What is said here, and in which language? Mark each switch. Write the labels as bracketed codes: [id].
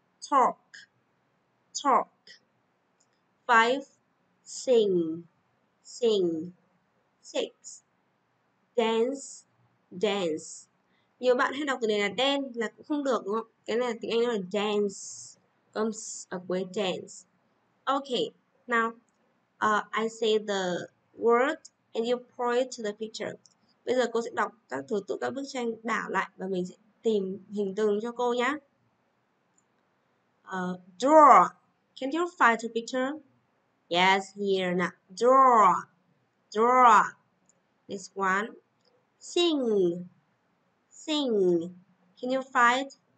[en] Talk. Talk. 5. Sing. Sing. 6. Dance. Dance. [vi] Nhiều bạn hay đọc từ này là dance là cũng không được đúng không? Cái này là tiếng Anh nó là dance. [en] Comes a great dance. Okay, now I say the word and you point to the picture. [vi] Bây giờ cô sẽ đọc các thứ tự các bức tranh đảo lại và mình sẽ tìm hình tượng cho cô nhé. [en] Draw. Can you find the picture? Yes, here now. Draw. Draw. This one. Sing. Sing. Can you fight?